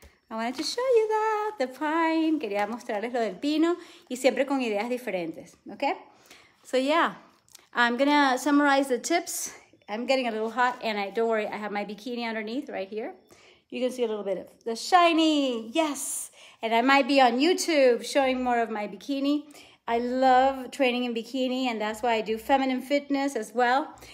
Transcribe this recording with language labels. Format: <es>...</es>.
<en>I wanted to show you that, the pine.</en> <es>Quería mostrarles lo del pino y siempre con ideas diferentes, okay?</es> <en>So yeah, I'm gonna summarize the tips. I'm getting a little hot and don't worry, I have my bikini underneath right here. You can see a little bit of the shiny, yes! And I might be on YouTube showing more of my bikini. I love training in bikini and that's why I do feminine fitness as well.</en>